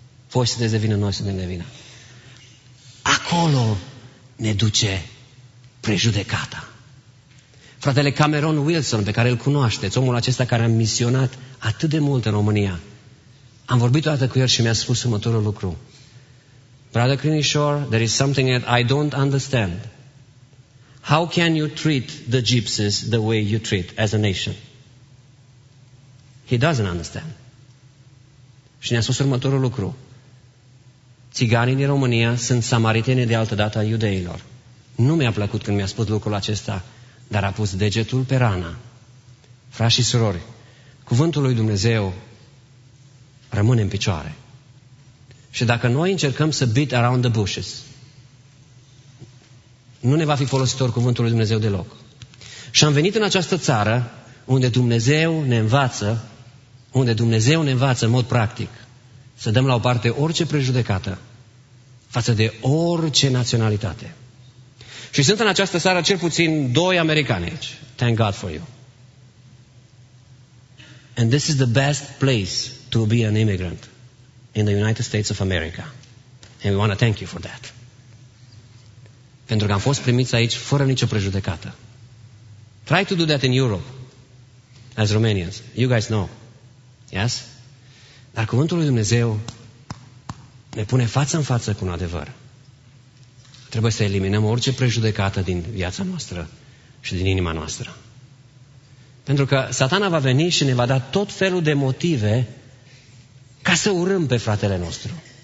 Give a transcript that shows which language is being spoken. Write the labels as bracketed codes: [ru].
[ro] Voi să de vină, noi să ne vină. Acolo ne duce prejudecata. Fratele Cameron Wilson, pe care îl cunoașteți, omul acesta care a misionat atât de mult în România, am vorbit o dată cu el și mi-a spus următorul lucru. [en] Brother Crinișor, there is something that I don't understand. How can you treat the gypsies the way you treat as a nation? He doesn't understand. [ro] Și ne-a spus următorul lucru. Țiganii din România sunt samariteni de altă dată a iudeilor. Nu mi-a plăcut când mi-a spus lucrul acesta, dar a pus degetul pe rana. Frați și surori, cuvântul lui Dumnezeu rămâne în picioare. Și dacă noi încercăm să [en] beat around the bushes, [ro] nu ne va fi folositor cuvântul lui Dumnezeu deloc. Și am venit în această țară unde Dumnezeu ne învață, unde Dumnezeu ne învață în mod practic să dăm la o parte orice prejudecată față de orice naționalitate. Și sunt în această seară cel puțin doi americani aici. [en] Thank God for you. And this is the best place to be an immigrant in the United States of America. And we want to thank you for that. [ro] Pentru că am fost primiți aici fără nicio prejudecată. [en] Try to do that in Europe as Romanians. You guys know. Yes? [ro] Dar cuvântul lui Dumnezeu ne pune față în față cu un adevăr. Trebuie să eliminăm orice prejudecată din viața noastră și din inima noastră. Pentru că satana va veni și ne va da tot felul de motive ca să urâm pe fratele nostru.